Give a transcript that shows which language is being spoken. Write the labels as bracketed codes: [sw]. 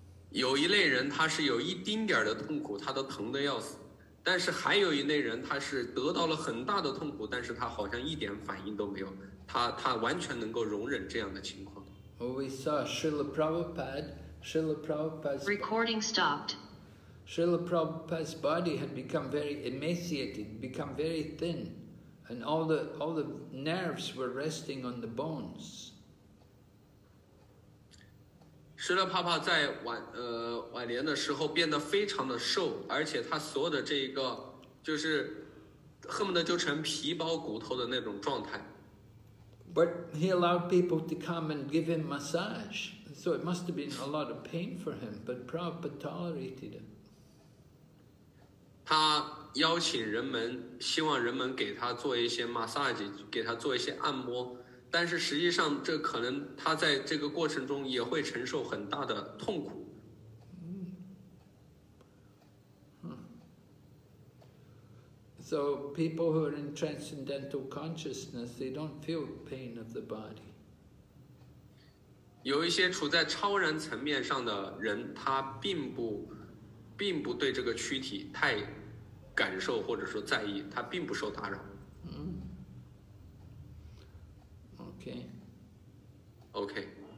[zh] 有一类人他是有一丁点的痛苦他都疼得要死，但是还有一类人他是得到了很大的痛苦，但是他好像一点反应都没有，他完全能够容忍这样的情况。 [en] Well, we saw Srila Prabhupada, Recording stopped. Srila Prabhupada's body had become very emaciated, become very thin, and all the nerves were resting on the bones. [zh] Srila Prabhupada 在晚年的时候变得非常的瘦，而且他所有的这个就是恨不得就成皮包骨头的那种状态。 [en] But he allowed people to come and give him massage, so it must have been a lot of pain for him, but Prabhupada tolerated it. [zh] 他邀请人们，希望人们给他做一些 massage， 给他做一些按摩，但是实际上这可能他在这个过程中也会承受很大的痛苦。 [en] So people who are in transcendental consciousness, they don't feel pain of the body. [zh] 有一些处在超然层面上的人，他并不对这个躯体太感受或者说在意，他并不受打扰。嗯。 OK。 OK。